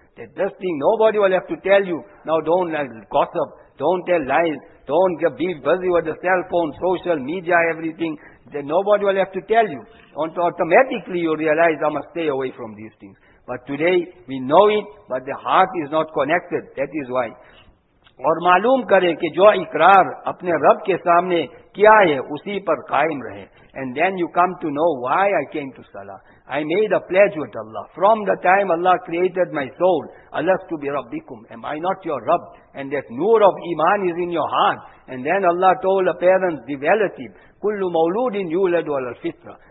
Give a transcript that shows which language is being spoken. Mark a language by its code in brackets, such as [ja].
[en] That this thing, nobody will have to tell you. Now don't like gossip, don't tell lies, don't be busy with the cell phone, social media, everything. Then nobody will have to tell you. And automatically you realize I must stay away from these things. But today we know it, but the heart is not connected. That is why. [ur] اور معلوم کرے کہ جو اقرار اپنے رب کے سامنے کیا ہے اسی پر قائم رہے. [en] And then you come to know why I came to Salah. I made a pledge with Allah. From the time Allah created my soul, Alastu bi Rabbikum. Am I not your Rabb? And that nur of iman is in your heart. And then Allah told the parents, the relative, kullu mauludin yuladu ala al-fitra.